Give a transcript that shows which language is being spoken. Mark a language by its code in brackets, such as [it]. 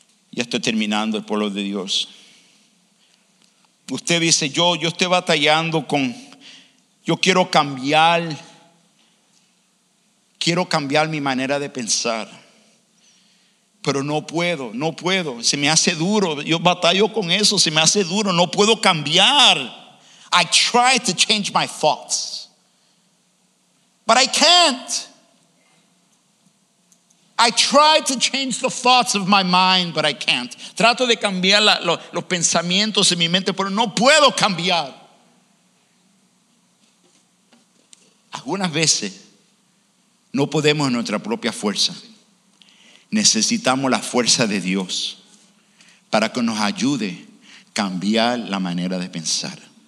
[es] Ya estoy terminando, el pueblo de Dios. Usted dice, yo estoy batallando con, yo quiero cambiar mi manera de pensar, pero no puedo, se me hace duro, yo batallo con eso, se me hace duro, no puedo cambiar. [en] I try to change my thoughts, but I can't. I try to change the thoughts of my mind, but I can't. [es] Trato de cambiar los pensamientos en mi mente, pero no puedo cambiar. Algunas veces no podemos en nuestra propia fuerza. Necesitamos la fuerza de Dios para que nos ayude a cambiar la manera de pensar.